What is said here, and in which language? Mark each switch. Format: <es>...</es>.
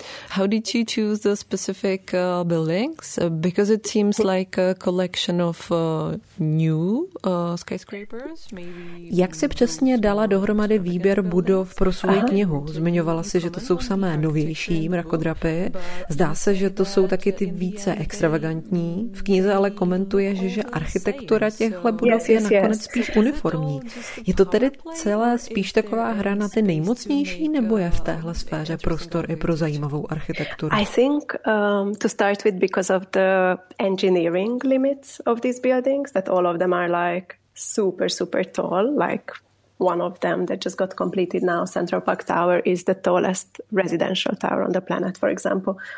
<en>How did you choose the specific buildings? Because it seems like a collection of new skyscrapers. Maybe.</en> <cs>Jak si přesně dala dohromady výběr budov pro svou knihu? Zmiňovala si, že to jsou samé novější mrakodrapy. Zdá se, že to jsou taky ty více extravagantní. V knize ale komentuješ, že architektura těchto budov je nakonec spíš uniformní. Je to tedy celé spíš taková hra na ty nejmocnější, nebo je v téhle sféře prostor i pro zajímavé?</cs> <en>I think to start with because of the engineering limits of these buildings, that all of them are like super, super tall, like one of them that just got completed now, Central Park Tower, is the tallest residential tower on the planet, for example.</en>